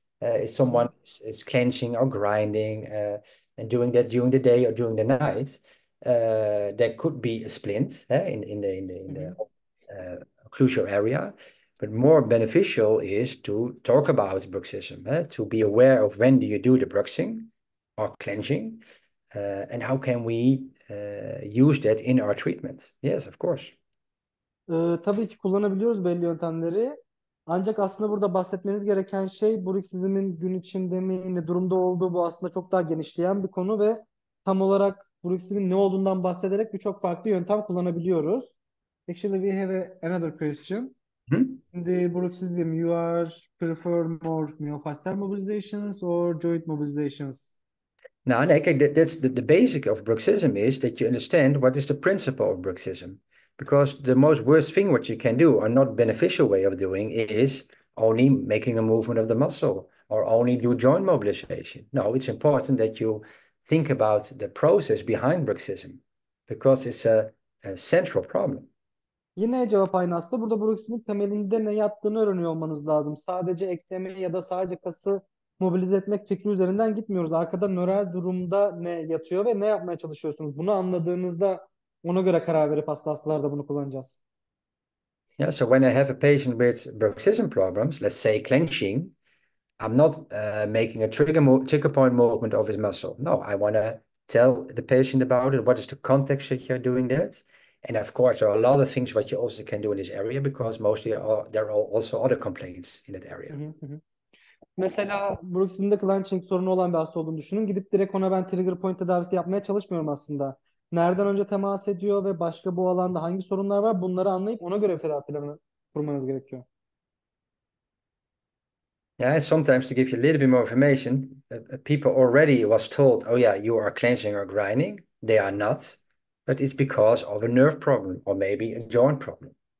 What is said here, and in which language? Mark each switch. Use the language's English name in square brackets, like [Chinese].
[English] If someone is clenching or grinding and doing that during the day or during the night, there could be a splint in the occlusal area. But more beneficial is to talk about bruxism, to be aware of when do you do the bruxing or clenching. And how can we use that in our treatment? Yes, of course. [Turkish] Tabii ki kullanabiliyoruz belli yöntemleri. Ancak aslında burada bahsetmeniz gereken şey bruxizmin gün içinde mi, ne durumda olduğu, bu aslında çok daha genişleyen bir konu ve tam olarak bruxizmin ne olduğundan bahsederek birçok farklı yöntem kullanabiliyoruz. [English] Actually we have another question. [Turkish] Şimdi bruxizm, [English] you are prefer more myofascial mobilizations or joint mobilizations? Now, that's the basic of bruxism is that you understand what is the principle of bruxism. Because the most worst thing what you can do, or not beneficial way of doing, is only making a movement of the muscle or only do joint mobilization. No, it's important that you think about the process behind bruxism because it's a central problem. [Turkish] Yine cevap aynı aslında. Burada bruxizmin temelinde ne yattığını öğreniyor olmanız lazım. Sadece eklemi ya da sadece kası mobilize etmek fikri üzerinden gitmiyoruz. Arkada nöral durumda ne yatıyor ve ne yapmaya çalışıyorsunuz? Bunu anladığınızda ona göre karar verip hastalarda bunu kullanacağız. [English] Yeah, so when I have a patient with bruxism problems, let's say clenching, I'm not making a trigger point movement of his muscle. No, I want to tell the patient about it. What is the context that you're doing that? And of course, there are a lot of things what you also can do in this area because mostly there are also other complaints in that area. [Turkish] Mesela bruxizmde clenching sorunu olan bir hasta olduğunu düşünün. Gidip direkt ona ben trigger point tedavisi yapmaya çalışmıyorum aslında. Nereden önce temas ediyor ve başka bu alanda hangi sorunlar var, bunları anlayıp ona göre bir tedavi planı kurmanız gerekiyor. [English] Yeah, sometimes to give you a little bit more information, people already was told, oh yeah, you are clenching or grinding. They are not, but it's because of a nerve problem or maybe a joint problem.